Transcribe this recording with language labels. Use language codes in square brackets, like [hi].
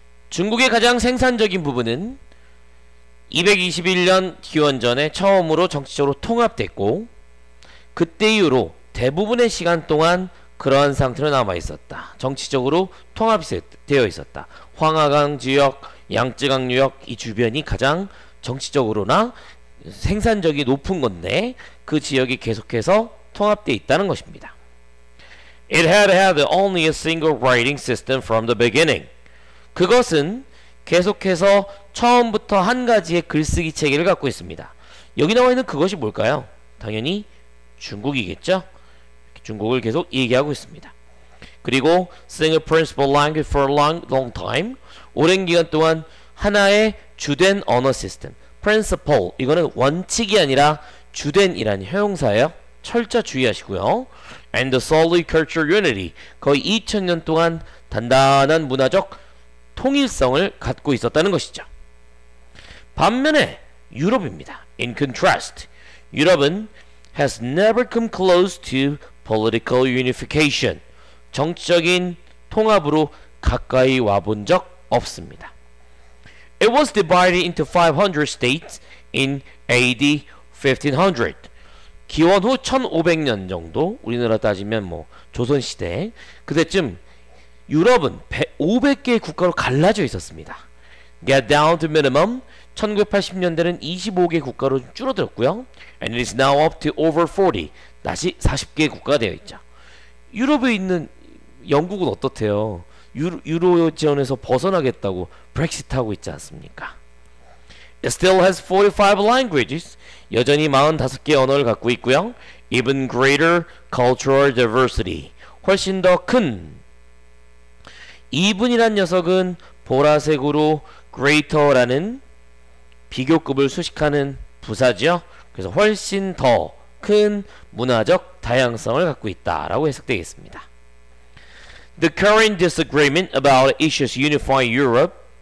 [ko] 중국의 가장 생산적인 부분은 221년 기원전에 처음으로 정치적으로 통합됐고 그때 이후로 대부분의 시간 동안 그러한 상태로 남아있었다. 정치적으로 통합되어 있었다. 황하강 지역, 양쯔강 유역 이 주변이 가장 정치적으로나 생산적이 높은 건데 그 지역이 계속해서 통합되어 있다는 것입니다. [en] It had had only a single writing system from the beginning. [ko] 그것은 계속해서 처음부터 한 가지의 글쓰기 체계를 갖고 있습니다. 여기 나와 있는 그것이 뭘까요? 당연히 중국이겠죠? 중국을 계속 얘기하고 있습니다. [en] 그리고 single principal language for a long time. [ko] 오랜 기간 동안 하나의 주된 언어 시스템. principle, 이거는 원칙이 아니라 주된이라는 형용사예요. 철자 주의하시고요. [en] And the solid cultural unity. [ko] 거의 2000년 동안 단단한 문화적 통일성을 갖고 있었다는 것이죠. 반면에 유럽입니다. [en] In contrast, 유럽은 has never come close to political unification. [ko] 정치적인 통합으로 가까이 와본 적 없습니다. [en] It was divided into 500 states in AD 1500. [ko] 기원 후 1500년 정도, 우리나라 따지면 뭐 조선시대 그때쯤 유럽은 500개의 국가로 갈라져 있었습니다. [en] Get down to minimum. [ko] 1980년대는 25개 국가로 줄어들었고요. [en] And it is now up to over 40. [ko] 다시 40개 국가가 되어 있죠. 유럽에 있는 영국은 어떻대요? 유로지원에서 벗어나겠다고 브렉시트하고 있지 않습니까? [en] It still has 45 languages. [ko] 여전히 45개 언어를 갖고 있고요. [en] Even greater cultural diversity. [ko] 훨씬 더 큰. 이분이란 녀석은 보라색으로 greater라는 비교급을 수식하는 부사죠. 그래서 훨씬 더 큰 문화적 다양성을 갖고 있다라고 해석되겠습니다. [en] The current disagreement about issues unify Europe.